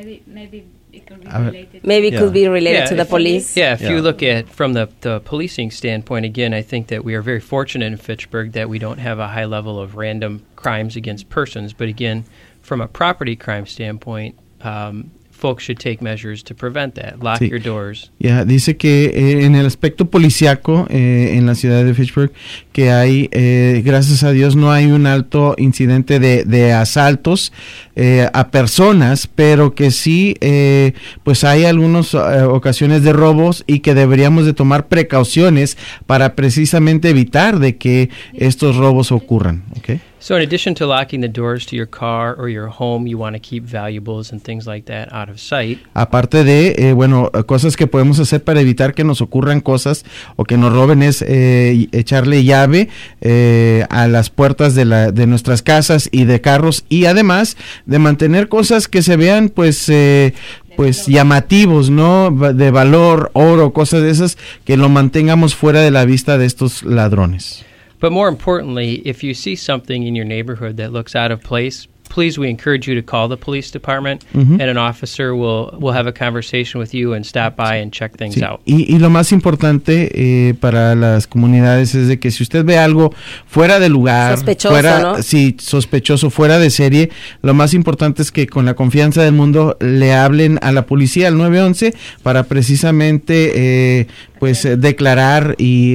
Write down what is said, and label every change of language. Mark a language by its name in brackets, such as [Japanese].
[English] Maybe it could be related to the police. You look at from the policing standpoint, again, I think that we are very fortunate in Fitchburg that we don't have a high level of random crimes against persons. But again, from a property crime standpoint, folks should take measures to prevent that. Lock your doors. [Spanish] Yeah, dice que en el aspecto policiaco en la ciudad de Fitchburg, que hay, gracias a Dios, no hay un alto incidente de asaltos a personas, pero que sí, pues hay algunas ocasiones de robos y que deberíamos de tomar precauciones para precisamente evitar de que estos robos ocurran, okay? [English] So in addition to locking the doors to your car or your home, you want to keep valuables and things like that out of sight. [Spanish] Aparte de, cosas que podemos hacer para evitar que nos ocurran cosas o que nos roben es echarle llave a las puertas de nuestras casas y de carros, y además de mantener cosas que se vean pues llamativos, ¿no? De valor, oro, cosas de esas, que lo mantengamos fuera de la vista de estos ladrones. [English] But more importantly, if you see something in your neighborhood that looks out of place, please, we encourage you to call the police department, mm-hmm. and an officer will have a conversation with you and stop by and check things [Spanish] sí. [English] out. [Spanish] Y lo más importante para las comunidades es de que si usted ve algo fuera de lugar, sospechoso, fuera, ¿no? Sí, sospechoso, fuera de serie, lo más importante es que con la confianza del mundo le hablen a la policía, al 911, para precisamente pues declarar y